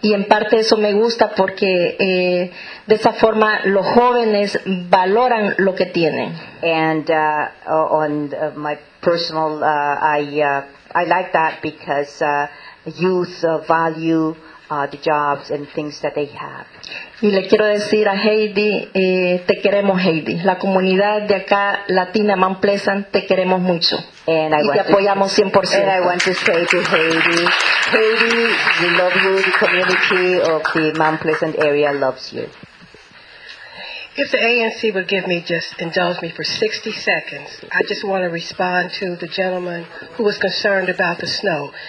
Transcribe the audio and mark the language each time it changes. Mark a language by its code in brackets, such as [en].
[es] Y en parte eso me gusta porque de esa forma los jóvenes valoran lo que tienen. [en] And on my personal, I like that because youth value the jobs and things that they have. [es] Y le quiero decir a Heidi, te queremos, Heidi. La comunidad de acá, Latina Mount Pleasant, te queremos mucho. [en] And [es] y te apoyamos 100%. [en] And I want to say to Heidi, Heidi, we love you. The community of the Mount Pleasant area loves you. If the ANC would give me, just indulge me for 60 seconds, I just want to respond to the gentleman who was concerned about the snow.